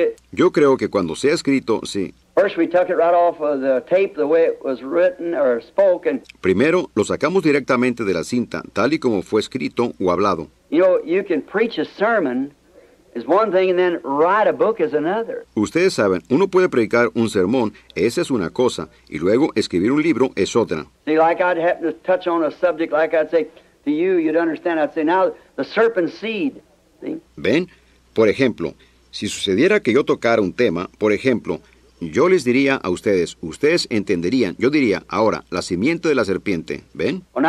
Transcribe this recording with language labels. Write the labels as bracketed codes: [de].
[es] yo creo que cuando sea escrito, sí, [en] First we took it right off of the tape the way it was written or spoken. [es] Primero lo sacamos directamente de la cinta, tal y como fue escrito o hablado. [en] You know, you can preach a sermon is one thing and then write a book is another. [es] Ustedes saben, uno puede predicar un sermón, esa es una cosa, y luego escribir un libro es otra. [en] See, like I'd happen to touch on a subject like I'd say to you, you'd understand. I'd say now the serpent seed. [es] ¿Ven? Por ejemplo, si sucediera que yo tocara un tema, por ejemplo, yo les diría a ustedes, ustedes entenderían, yo diría, ahora, la simiente de la serpiente, ¿ven?